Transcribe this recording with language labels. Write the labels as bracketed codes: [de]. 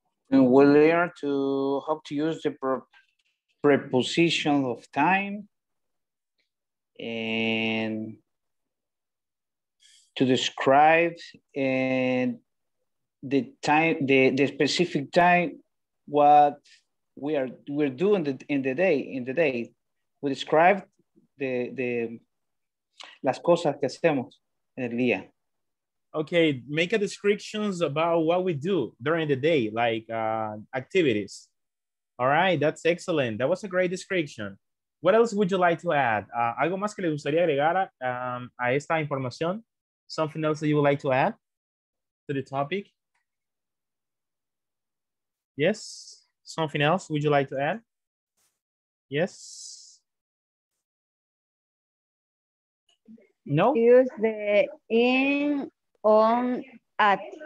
[en] We learned to how to use the preposition of time and to describe and the time, the specific time, what we're doing in the day. We describe the [es] las cosas que hacemos en el día. [en] Okay, make a descriptions about what we do during the day, like activities. All right, that's excellent. That was a great description. What else would you like to add? [es] Algo más que le gustaría agregar a esta información? [en] Something else that you would like to add to the topic? Yes? Something else would you like to add? Yes? No? Use the in, on, at.